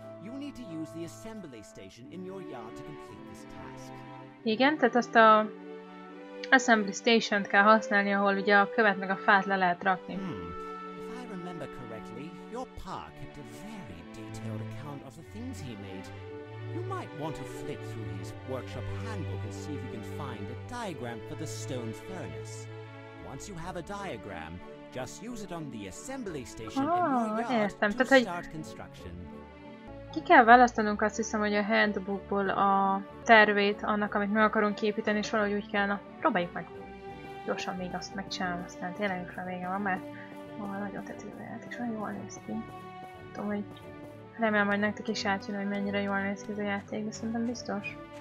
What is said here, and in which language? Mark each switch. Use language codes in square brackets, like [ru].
[en] You need to use the assembly station in your yard to complete this task. [hu] Igen, tehát azt a assembly stationt kell használni, ahol ugye a követ meg a fát le lehet rakni. [en] If I remember correctly, your pa kept a very detailed account of the things he made. You might want to flip through his workshop handbook and see if you can find a diagram for the stone furnace. Once you have a diagram, just use it on the assembly station in your yard to start construction. [hu] Ki kell választanunk, azt hiszem, hogy a handbookból a tervét annak, amit meg akarunk építeni, és valahogy úgy kellene. Próbáljuk meg. Gyorsan még azt megcsinálom, aztán tényleg is vége van, mert nagyon tetszik a játék, és nagyon jól néz ki. Tudom, hogy remélem, hogy nektek is átjön, hogy mennyire jól néz ki ez a játék, de szerintem biztos.